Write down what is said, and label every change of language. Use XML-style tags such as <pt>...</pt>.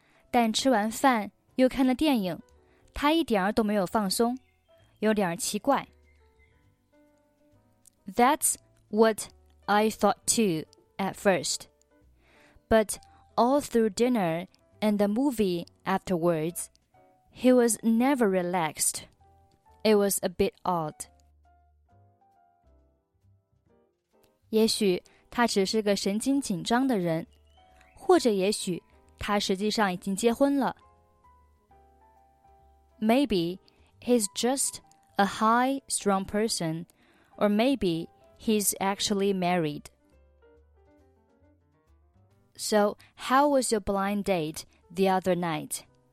<zh>但吃完饭又看了电影，他一点儿都没有放松，有点奇怪。</zh> <en>That's what I thought too at first. But all through dinner and the movie afterwards, he was never relaxed. It was a bit odd.</en> <zh>也许他只是个神经紧张的人，或者也许他实际上已经结婚了。</zh> <en>Maybe he's just a high, strong person, or maybe he's actually married. So, how was your blind date the other night?</en>